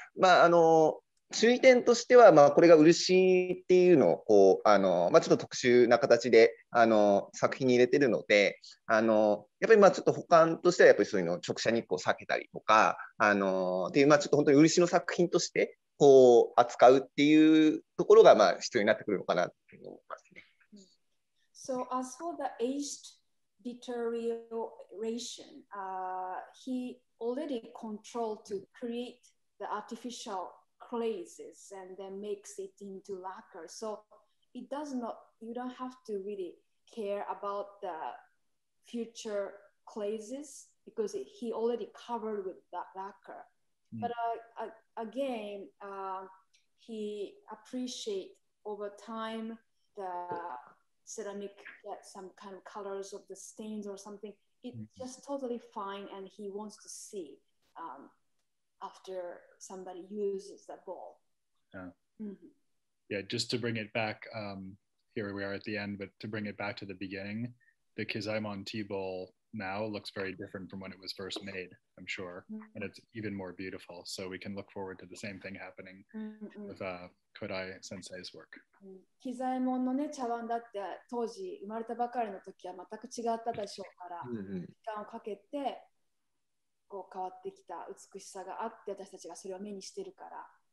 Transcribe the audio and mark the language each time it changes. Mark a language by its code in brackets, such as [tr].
[ja] まああの注意点としては、まあ、これが漆っていうのをこうあの、まあ、ちょっと特殊な形であの作品に入れてるので、あのやっぱりまあちょっと保管としてはやっぱりそういうのを直射日光を避けたりとかあのっていう、まあ、ちょっと本当に漆の作品としてこう扱うっていうところがまあ必要になってくるのかなっていうのを思いますね。 [en] So as for the aged deterioration, he already controlled to create the artificialclays and then makes it into lacquer. So it does not, you don't have to really care about the future clays because he already covered with that lacquer. But again, he appreciates over time the ceramic get some kind of colors of the stains or something. It's just totally fine and he wants to see. After somebody uses the bowl. Yeah. Mm-hmm. Yeah, just to bring it back, here we are at the end, but to bring it back to the beginning, the Kizaimon tea bowl now looks very different from when it was first made, I'm sure. Mm-hmm. And it's even more beautiful. So we can look forward to the same thing happening with Kodai Sensei's work. [ja] Kizaimon のね、茶碗だって当時生まれたばかりの時は全く違ったでしょうから、時間をかけて、こう変わってきた美しさがあって、私たちがそれを目にしてるから。